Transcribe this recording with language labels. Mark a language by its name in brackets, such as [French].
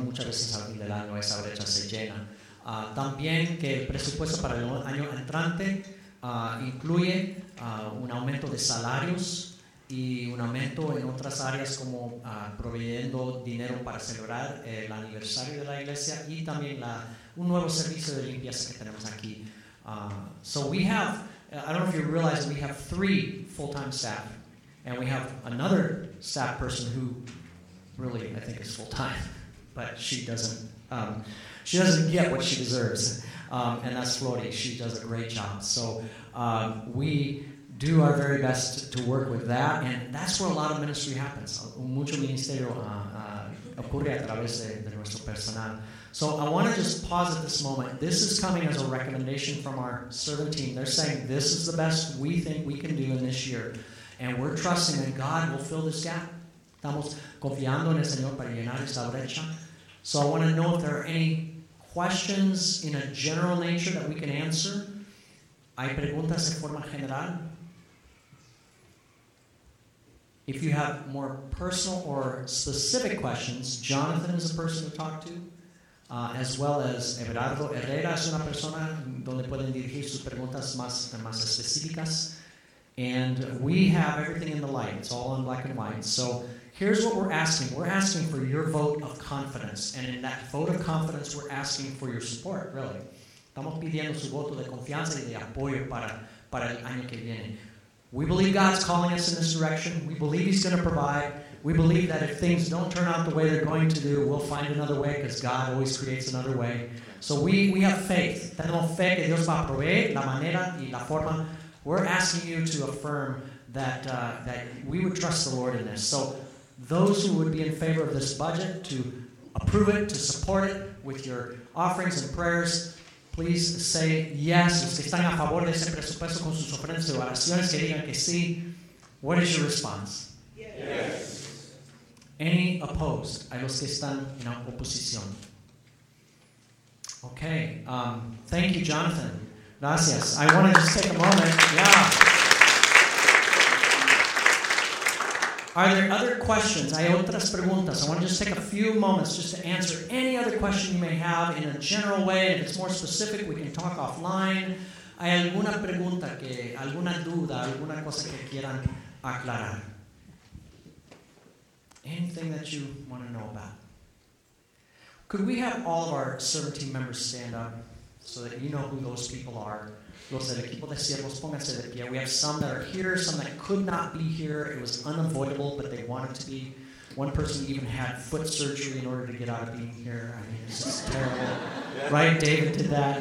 [Spanish] Muchas veces al fin del año esa brecha se llena. También que el presupuesto para el año entrante incluye un aumento de salarios y un aumento en otras áreas, como proveyendo dinero para celebrar el aniversario de la iglesia y también la un nuevo servicio de limpieza que tenemos aquí. [English] So we have, I don't know if you realize, we have three full-time staff, and we have another staff person who really, I think, is full-time, but she doesn't get what she deserves, and that's Flori. She does a great job. So we do our very best to work with that, and that's where a lot of ministry happens. [Spanish] Mucho ministerio ocurre a través de nuestro personal. [English] So I want to just pause at this moment. This is coming as a recommendation from our servant team. They're saying this is the best we think we can do in this year. And we're trusting that God will fill this gap. [Spanish] Estamos confiando en el Señor para llenar esta brecha. [English] So I want to know if there are any questions in a general nature that we can answer. [Spanish] ¿Hay preguntas en forma general? [English] If you have more personal or specific questions, Jonathan is a person to talk to. As well as [Spanish] Everardo Herrera es una persona donde pueden dirigir sus preguntas más específicas. [English] And we have everything in the light. It's all in black and white. So here's what we're asking. We're asking for your vote of confidence. And in that vote of confidence, we're asking for your support, really. [Spanish] Estamos pidiendo su voto de confianza y de apoyo para el año que viene. [English] We believe God's calling us in this direction. We believe He's going to provide. We believe that if things don't turn out the way they're going to do, we'll find another way, because God always creates another way. So we have faith. [Spanish] Tenemos fe que Dios va a proveer la manera y la forma. [English] We're asking you to affirm that we would trust the Lord in this. So those who would be in favor of this budget, to approve it, to support it with your offerings and prayers, please say yes. [Spanish] Los que están a favor de ese presupuesto con sus ofrendas de oraciones, que digan que sí. [English] What is your response? Yes. Any opposed? [Spanish] A los que están en oposición. Okay. [English] Thank you, Jonathan. Gracias. I want to just take a moment. Yeah. Are there other questions? [Spanish] Hay otras preguntas. [English] I want to just take a few moments just to answer any other question you may have in a general way. If it's more specific, we can talk offline. [Spanish] Hay alguna pregunta, que alguna duda, alguna cosa que quieran aclarar. [English] Anything that you want to know about. Could we have all of our server team members stand up so that you know who those people are? [Spanish] Los del equipo de siervos, pónganse de pie. [English] We have some that are here, some that could not be here. It was unavoidable, but they wanted to be. One person even had foot surgery in order to get out of being here. I mean, this is terrible. Right? David did that.